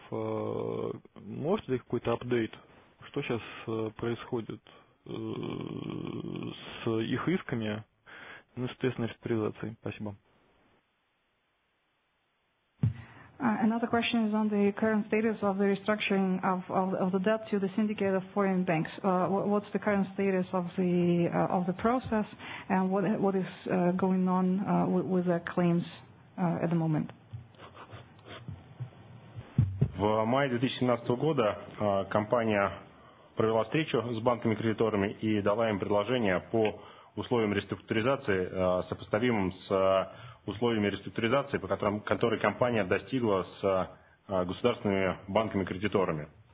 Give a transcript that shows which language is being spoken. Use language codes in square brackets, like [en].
[ru] Может ли какой-то апдейт? Что сейчас происходит с их исками, ну, соответственно, реструктуризацией. Спасибо. [en] Another question is on the current status of the restructuring of the debt to the syndicate of foreign banks. What's the current status of the process, and what is going on with the claims at the moment? [ru] В мае 2017 года компания провела встречу с банками-кредиторами и дала им предложение по условиям реструктуризации, сопоставимым с условиями реструктуризации, по которым, которые компания достигла с государственными банками-кредиторами.